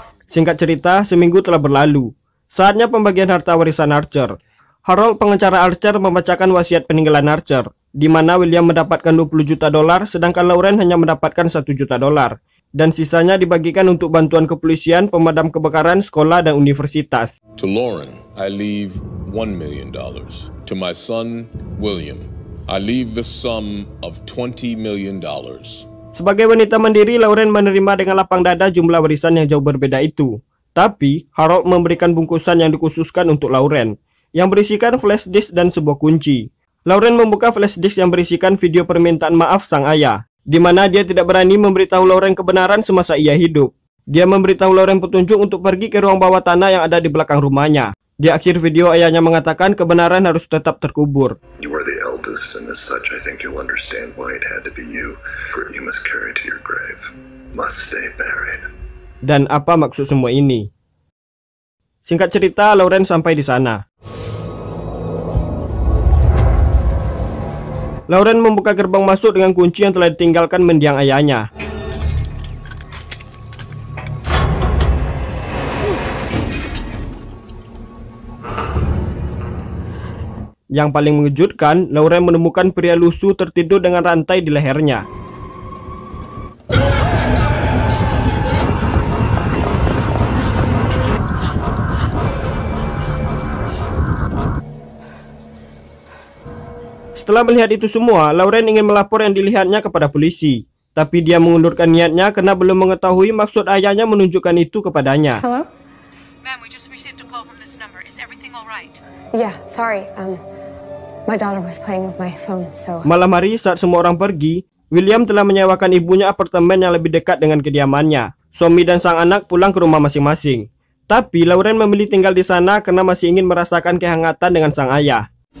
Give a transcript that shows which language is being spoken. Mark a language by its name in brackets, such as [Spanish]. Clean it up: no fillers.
[Indonesian] Singkat cerita, seminggu telah berlalu. Saatnya pembagian harta warisan Archer. Harold, pengacara Archer, membacakan wasiat peninggalan Archer, di mana William mendapatkan $20 juta, sedangkan Lauren hanya mendapatkan $1 juta. Dan sisanya dibagikan untuk bantuan kepolisian, pemadam kebakaran, sekolah, dan universitas. [English] To Lauren, I leave $1 million. To my son, William, I leave the sum of $20 million. [Indonesian] Sebagai wanita mandiri, Lauren menerima dengan lapang dada jumlah warisan yang jauh berbeda itu. Tapi, Harold memberikan bungkusan yang dikhususkan untuk Lauren, yang berisikan flash disk dan sebuah kunci. Lauren membuka flash disk yang berisikan video permintaan maaf sang ayah, di mana dia tidak berani memberitahu Lauren kebenaran semasa ia hidup. Dia memberitahu Lauren petunjuk untuk pergi ke ruang bawah tanah yang ada di belakang rumahnya. Di akhir video, ayahnya mengatakan kebenaran harus tetap terkubur. [English] You are the eldest and as such I think you'll understand why it had to be you. You must carry to your grave. Must stay buried. [Indonesian] Dan apa maksud semua ini? Singkat cerita, Lauren sampai di sana. Lauren membuka gerbang masuk dengan kunci yang telah ditinggalkan mendiang ayahnya. Yang paling mengejutkan, Lauren menemukan pria lusuh tertidur dengan rantai di lehernya. Setelah melihat itu semua, Lauren ingin melapor yang dilihatnya kepada polisi. Tapi dia mengundurkan niatnya karena belum mengetahui maksud ayahnya menunjukkan itu kepadanya. [English] Hello? Ma'am, we just received a call from this number. Is everything all right? Yeah, sorry. My daughter was playing with my phone, so... [Indonesian] Malam hari, saat semua orang pergi, William telah menyewakan ibunya apartemen yang lebih dekat dengan kediamannya. Suami dan sang anak pulang ke rumah masing-masing. Tapi Lauren memilih tinggal di sana karena masih ingin merasakan kehangatan dengan sang ayah.